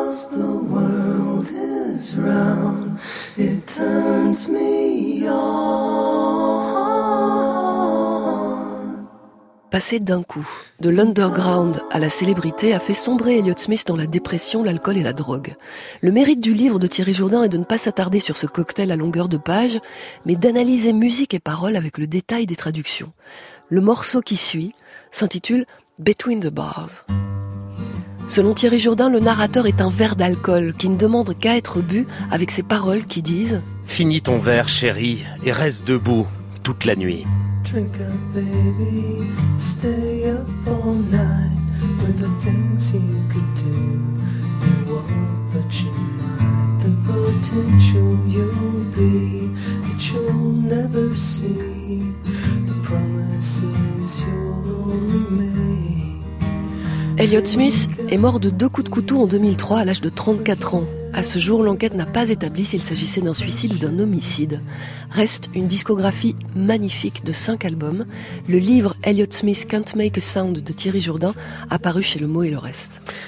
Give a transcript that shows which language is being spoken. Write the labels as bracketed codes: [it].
[en] The world is round, it turns me on. [fr] Passer d'un coup de l'underground à la célébrité a fait sombrer Elliot Smith dans la dépression, l'alcool et la drogue. Le mérite du livre de Thierry Jourdain est de ne pas s'attarder sur ce cocktail à longueur de page, mais d'analyser musique et paroles avec le détail des traductions. Le morceau qui suit s'intitule Between the Bars. Selon Thierry Jourdain, le narrateur est un verre d'alcool qui ne demande qu'à être bu avec ses paroles qui disent « Finis ton verre, chérie, et reste debout toute la nuit. [en] » Drink up, baby, stay up all night with the things you could do. You won't, but you might. The potential you'll be that you'll never see. The promises you'll only make. [fr] Elliot Smith est mort de deux coups de couteau en 2003 à l'âge de 34 ans. À ce jour, l'enquête n'a pas établi s'il s'agissait d'un suicide ou d'un homicide. Reste une discographie magnifique de 5 albums. Le livre Elliot Smith Can't Make a Sound de Thierry Jourdain a paru chez Le Mot et le Reste.